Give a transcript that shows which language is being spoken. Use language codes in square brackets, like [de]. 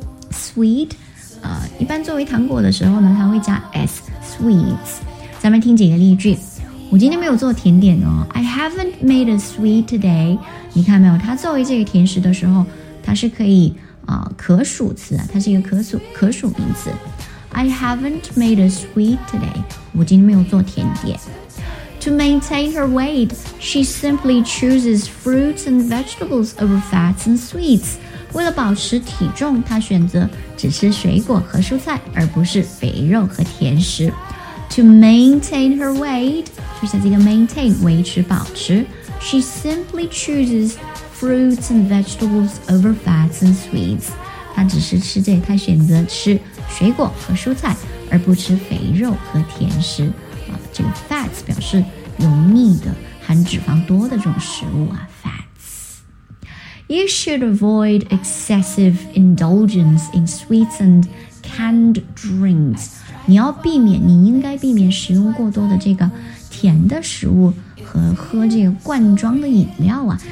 [zh] sweet 一般作为糖果的时候呢，它会加 s， sweets。咱们听几个例句。我今天没有做甜点哦， [en] I haven't made a sweet today。 [zh] 你看没有，它作为这个甜食的时候，它是可以可数词，它是一个可数名词。 [en] I haven't made a sweet today. [zh] 我今天没有做甜点。 [en] To maintain her weight, she simply chooses fruits and vegetables over fats and sweets. [zh] 为了保持体重，她选择只吃水果和蔬菜，而不是肥肉和甜食。 [en] To maintain her weight, [zh] 就是这个 maintain 维持保持。 [en] She simply chooses fruits and vegetables over fats and sweets. [zh] 她只是吃这，她选择吃水果和蔬菜，而不吃肥肉和甜食啊。这个 fats 表示油腻的、含脂肪多的这种食物啊。 [en] Fats. You should avoid excessive indulgence in sweets and canned drinks. [zh] 你要避免，你应该避免食用过多的这个甜的食物和喝这个罐装的饮料啊。